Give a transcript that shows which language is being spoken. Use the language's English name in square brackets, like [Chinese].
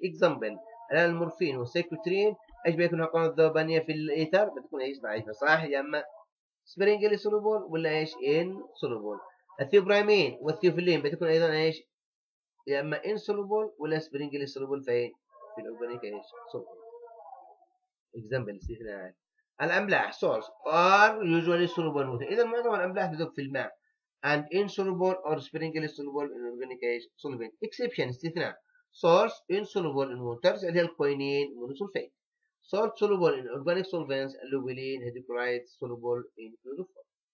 [Arabic] إكزامبل الآن المورفين والسيكوترين إيش بيكون القوة الذوبانية في الإيثر؟ بتكون إيش ضعيفة صح؟ يا إما [English] sparingly soluble [Arabic] ولا إيش إنسولوبل. الثيوبرامين والثيوفيلين بتكون أيضا إيش؟ يا إما إنسولوبل ولا سبرينجلي سولوبل فين؟ في الأورجانيك إيش سولفنت. إكزامبل استثناء. [English] الأملاح salts are usually soluble in water. [Arabic] إذا معظم الأملاح تذوب في الماء [English] and insoluble or sparingly soluble in organic solvent. Exception استثناء. Salts insoluble in water [Arabic] اللي هي الكوينين مونوسولفيت. [English] Salts soluble in organic solvents اللوبيلين hydrochloride soluble in chloroform.